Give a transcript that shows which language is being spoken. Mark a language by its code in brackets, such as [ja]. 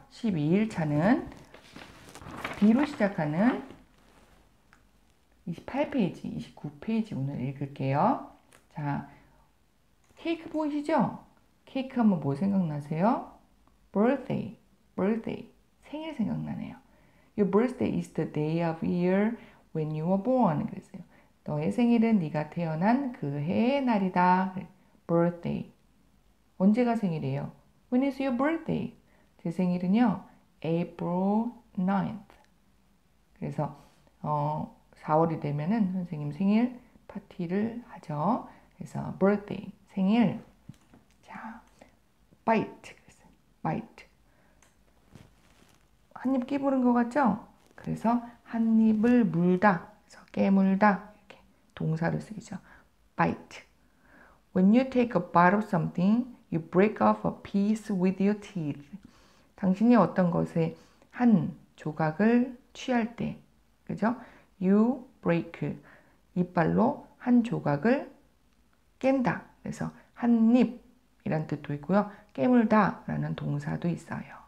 [ko] 12일 차는 B로 시작하는 28페이지, 29페이지 오늘 읽을게요. 자, 케이크 보이시죠? 케이크 하면 뭐 생각나세요? [en] Birthday, birthday. [ko] 생일 생각나네요. [en] Your birthday is the day of year when you were born. [ko] 그랬어요. 너의 생일은 네가 태어난 그 해의 날이다. [en] Birthday. [ko] 언제가 생일이에요? [en] When is your birthday? [ko] 제 생일은요, [en] April 9th. [ko] 그래서 4월이 되면은 선생님 생일 파티를 하죠. 그래서 birthday 생일. 자, bite. bite. 한입 깨물은 것 같죠? 그래서 한입을 물다. 그래서 깨물다. 동사를 쓰죠. Bite. [en] When you take a bite of something, you break off a piece with your teeth. [ko] 당신이 어떤 것의 한 조각을 취할 때, 그죠? [en] You break. [ko] 이빨로 한 조각을 깬다. 그래서 한 입이란 뜻도 있고요. 깨물다라는 동사도 있어요.